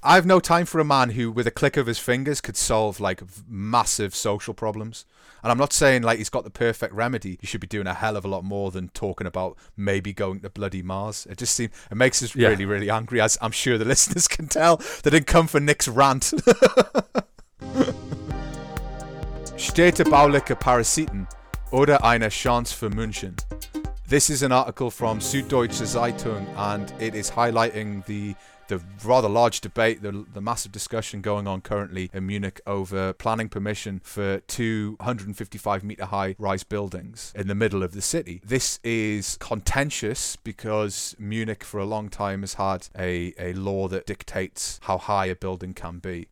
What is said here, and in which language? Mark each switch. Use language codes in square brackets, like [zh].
[en] I have no time for a man who, with a click of his fingers, could solve, like, massive social problems. And I'm not saying, like, he's got the perfect remedy. He should be doing a hell of a lot more than talking about maybe going to bloody Mars. It just seems, it makes us really, really angry, as I'm sure the listeners can tell. They didn't come for Nick's rant. [de] Städte bauliche Parasiten oder eine Chance für München. [en] This is an article from Süddeutsche Zeitung, and it is highlighting the rather large debate, the massive discussion going on currently in Munich over planning permission for 255-meter high rise buildings in the middle of the city. This is contentious because Munich for a long time has had a law that dictates how high a building can be.